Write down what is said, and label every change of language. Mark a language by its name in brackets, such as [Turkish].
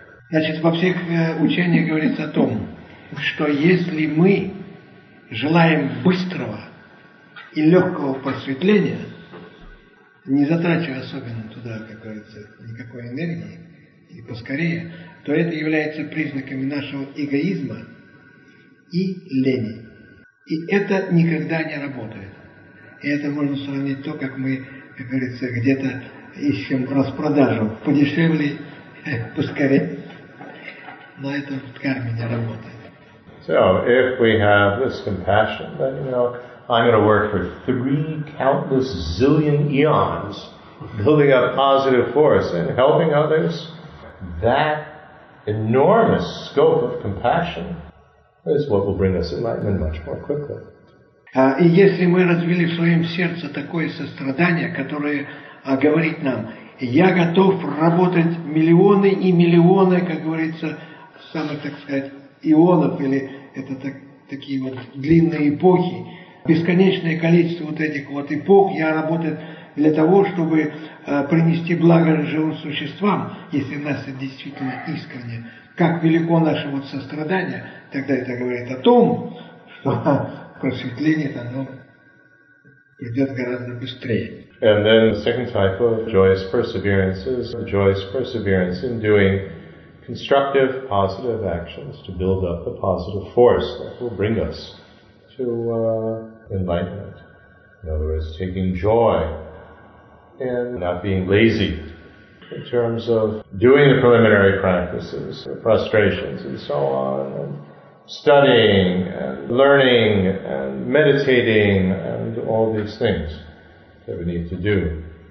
[Russian] Значит, во всех учениях говорится о том, что если мы желаем быстрого и легкого просветления, не затрачивая особенно туда, как говорится, никакой энергии, и поскорее, то это является признаками нашего эгоизма и лени. И это никогда не работает. И это можно сравнить то, как мы, как говорится, где-то ищем распродажу. Подешевле, поскорее. Но это в карме не работает. [English] So, if we have this compassion, then, you know, I'm going to work for 3 countless zillion eons building up positive force and helping others, that enormous scope of compassion is what will bring us enlightenment much more quickly. [Russian] И если мы развили в своем сердце такое сострадание, которое говорит нам, я готов работать миллионы и миллионы, как говорится, самых, так сказать, ионов, или это такие вот длинные эпохи, бесконечное количество вот этих вот эпох, я работаю для того, чтобы принести благо живым существам, если нас это действительно искренне. Как велико наше вот сострадание, тогда это говорит о том, что просветление оно придет гораздо быстрее. [English] And then the second type of joyous perseverance is the joyous perseverance in doing constructive, positive actions to build up the positive force that will bring us to enlightenment. In other words, taking joy and not being lazy in terms of doing the preliminary practices, the frustrations and so on, and studying and learning and meditating and all these things that we need to do.